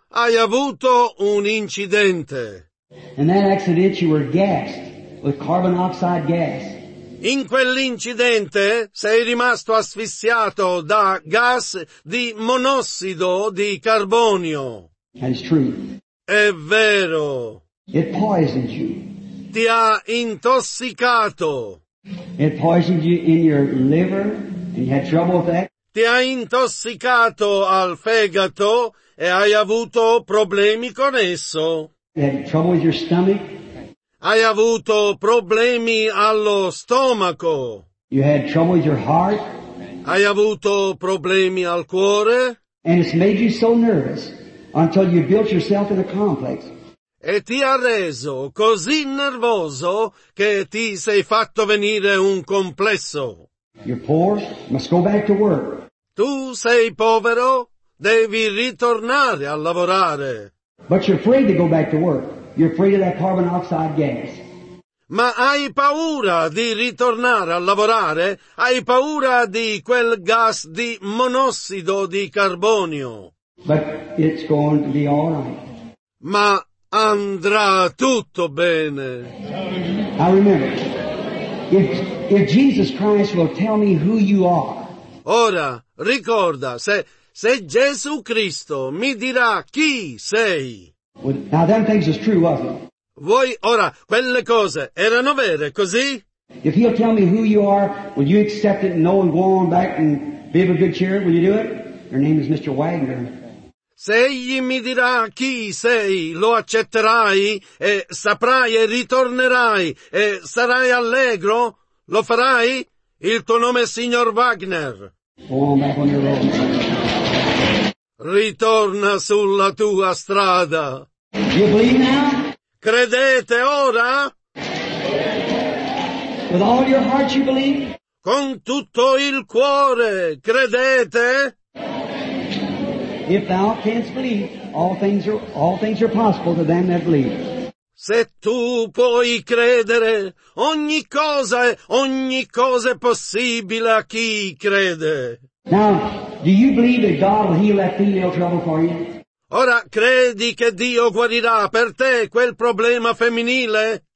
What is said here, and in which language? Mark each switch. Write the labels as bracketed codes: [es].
[it] Hai avuto un incidente. [en] In that accident you were gassed with carbon oxide gas. [it] In quell'incidente sei rimasto asfissiato da gas di monossido di carbonio. [en] That's true. [it] È vero. [en] It poisoned you. [it] Ti ha intossicato. [en] It poisoned you in your liver and you had trouble with that. [it] Ti ha intossicato al fegato e hai avuto problemi con esso. [en] Had trouble with your stomach. [it] Hai avuto problemi allo stomaco. [en] You had trouble with your heart. [it] Hai avuto problemi al cuore. [en] And it's made you so nervous until you built yourself in a complex. [it] E ti ha reso così nervoso che ti sei fatto venire un complesso. [en] You're poor, must go back to work. [it] Tu sei povero, devi ritornare a lavorare. [en] But you're afraid to go back to work. You're afraid of that carbon oxide gas. [it] Ma hai paura di ritornare a lavorare? Hai paura di quel gas di monossido di carbonio? [en] But it's going to be all right. [it] Ma andrà tutto bene. [en] I remember. If Jesus Christ will tell me who you are. [it] Ora, ricorda, se Gesù Cristo mi dirà chi sei. [en] Now them things is true, wasn't it? [it] Voi ora quelle cose erano vere, così? [en] If he'll tell me who you are, will you accept it and know and go on back and be of a good cheer? Will you do it? Your name is Mr. Wagner. [it] Se egli mi dirà chi sei, lo accetterai e saprai e ritornerai e sarai allegro, lo farai? Il tuo nome è Signor Wagner. [en] Go on back on your road. [it] Ritorna sulla tua strada. [en] You believe now? [it] Credete ora? [en] With all your heart you believe? [it] Con tutto il cuore, credete? [en] If thou canst believe, all things are possible to them that believe. [it] Se tu puoi credere, ogni cosa è possibile a chi crede. [en] Now, do you believe that God will heal that female trouble for you? [it] Ora, credi che Dio guarirà per te quel problema femminile?